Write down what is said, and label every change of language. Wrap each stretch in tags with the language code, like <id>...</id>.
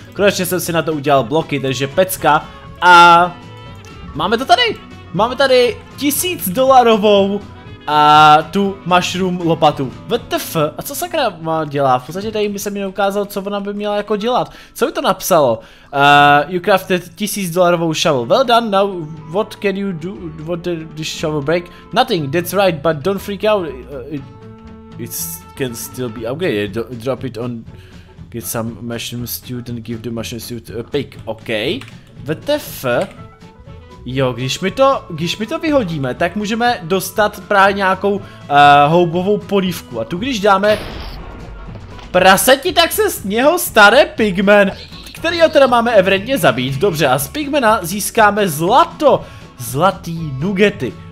<cs>Konečně jsem si na to udělal bloky, takže pecka. A máme to tady. Máme tady $1000. A tu mushroom lopatu. WTF, a co sakra dělá? V podstatě tady by se mi neukázalo, co ona by měla jako dělat. Co by to napsalo?</cs> <en>You crafted $1000 shovel. Well done, now what can you do? What did this shovel break? Nothing, that's right, but don't freak out. It can still be upgraded. Drop it on, get some mushroom stew and give the mushroom stew a pick. OK, WTF.</en> <cs>Jo, když mi to vyhodíme, tak můžeme dostat právě nějakou houbovou polívku. A tu když dáme praseti, tak se z něho stane pigmen, který ho teda máme evidentně zabít. Dobře, a z pigmena získáme zlato, zlatý nugety.</cs>